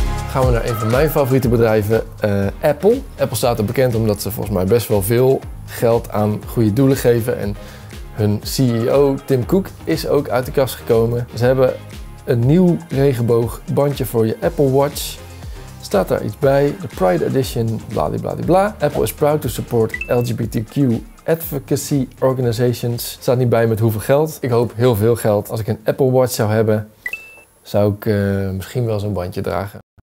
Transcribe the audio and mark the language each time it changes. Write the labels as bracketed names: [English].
[Dutch] Gaan we naar een van mijn favoriete bedrijven, Apple. Apple staat er bekend omdat ze volgens mij best wel veel geld aan goede doelen geven. En hun CEO, Tim Cook, is ook uit de kast gekomen. Ze hebben een nieuw regenboogbandje voor je Apple Watch. Staat daar iets bij, de Pride Edition, bladibladibla. [English] Apple is proud to support LGBTQ advocacy organizations. [Dutch] Staat niet bij met hoeveel geld. Ik hoop heel veel geld. Als ik een Apple Watch zou hebben, zou ik misschien wel zo'n bandje dragen.